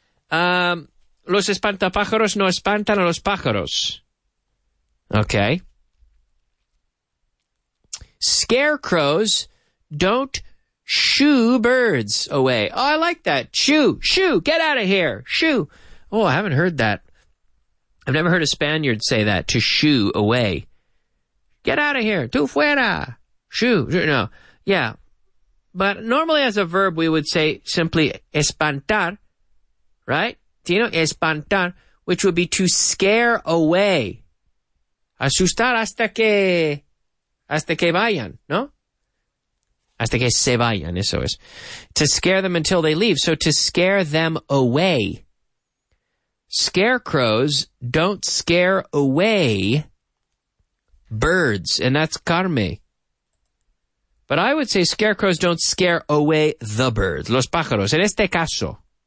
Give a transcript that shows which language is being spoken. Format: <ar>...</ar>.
<es>Los espantapájaros no espantan a los pájaros.</es> <en>Okay. Scarecrows don't shoo birds away. Oh, I like that. Shoo, shoo, get out of here. Shoo. Oh, I haven't heard that. I've never heard a Spaniard say that, to shoo away. Get out of here.</en> <es>Tu fuera.</es> <en>Shoo. No. Yeah. But normally as a verb, we would say simply espantar, right? Do you know espantar, which would be to scare away.</en> <es>Asustar hasta que vayan, no? Hasta que se vayan, eso es.</es> <en>To scare them until they leave. So to scare them away. Scarecrows don't scare away birds, and that's carne. But I would say scarecrows don't scare away the birds,</en> <es>los pájaros, en este caso.</es>